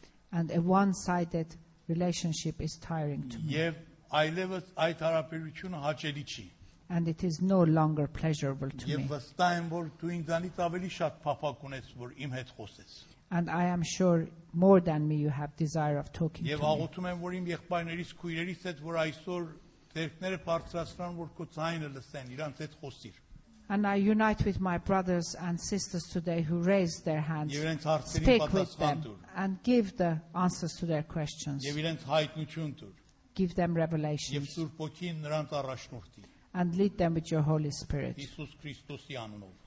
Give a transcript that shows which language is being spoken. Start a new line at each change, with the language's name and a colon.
English: And a one-sided relationship is tiring to me.
Armenian: Այլևս այդ հարաբերությունը հաճելի չի.
English: And it is no longer pleasurable to me.
Armenian: Եվ վստահ եմ, որ դու ինձանից ավելի շատ փափակ ունես, որ իմ հետ խոսես.
English: And I am sure more than me you have desire of talking to me.
Armenian: Եվ աղոթում եմ, որ իմ եղբայրներից քույրերից հետ, որ այսօր ձերքները բարձրացրան, որ քո ձայնը լսեն, իրանց հետ խոսիր.
English: And I unite with my brothers and sisters today who raised their hands.
Armenian: Եվ իրենց հարցերին պատասխան տուր.
English: And give the answers to their questions.
Armenian: Եվ իրենց հայտնություն տուր.
English: Give them revelation.
Armenian: Եվ Սուրբ Օքին նրանց առաջնորդի.
English: And lead them with your Holy Spirit.
Armenian: Հիսուս Քրիստոսի անունով.